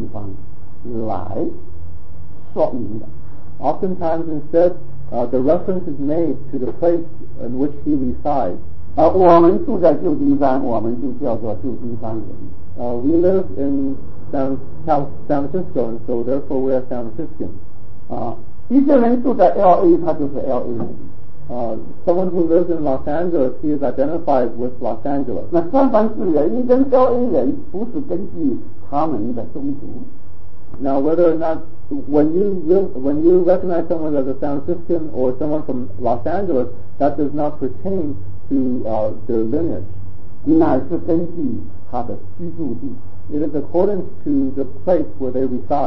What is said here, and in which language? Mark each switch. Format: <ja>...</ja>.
<zh>多半是根据他住在什么地方来说明的。</zh> <en>Oftentimes instead, the reference is made to the place in which he resides.</en> <zh>我们住在旧金山，我们就叫做旧金山人。</zh> <en>We live in San Francisco, and so therefore we are San Franciscans.</en> <zh>一些人住在LA，他就是LA人。</zh> <en>Someone who lives in Los Angeles, he is identified with Los Angeles.</en> <zh>那三藩市人跟LA人不是根据他们的宗族。</zh> <en>Now whether or not, when you recognize someone as a San Franciscan or someone from Los Angeles, that does not pertain to their lineage.</en> <zh>乃是根据他的居住地。</zh> <en>It is according to the place where they reside.</en>